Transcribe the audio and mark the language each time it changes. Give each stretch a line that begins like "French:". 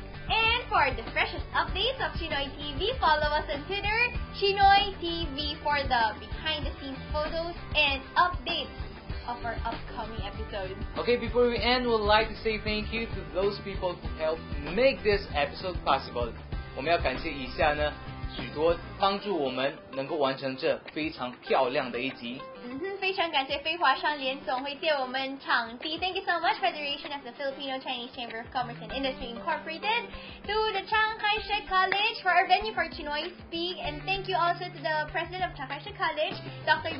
English: And for the freshest updates of CHInoy TV, follow us on Twitter, CHInoy TV, for the behind-the-scenes photos and updates of our upcoming episodes. Okay, before we end, we'd like to say thank you to those people who helped make this episode possible.
Chinese: 我们要感谢以下呢, 许多帮助我们能够完成这非常漂亮的一集。非常感谢飞华商联总会借我们场地.
English: Thank you so much, Federation of the Filipino-Chinese Chamber of Commerce and Industry Incorporated, to the Chiang Kai-shek College for our venue for CHInoy Speak, and thank you also to the President of Chiang Kai-shek College, Dr.